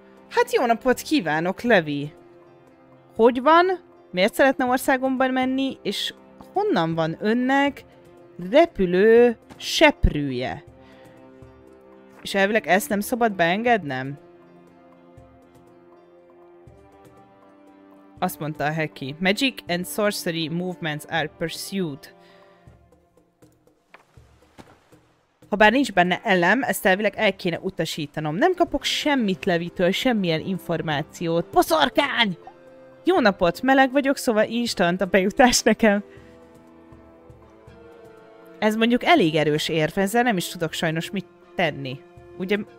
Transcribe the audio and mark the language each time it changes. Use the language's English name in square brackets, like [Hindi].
[Hungarian] Hát jó napot kívánok, Levi. Hogy van? Miért szeretne országomban menni? És honnan van önnek repülő seprűje? És elvileg ezt nem szabad beengednem? Azt mondta a Heki. [English] Magic and sorcery movements are pursued. [Hungarian] Habár nincs benne elem, ezt elvileg el kéne utasítanom. Nem kapok semmit Levitől, semmilyen információt. Boszorkány! Jó napot, meleg vagyok, szóval instant a bejutás nekem. Ez mondjuk elég erős érve, ezzel nem is tudok sajnos mit tenni. Ugye...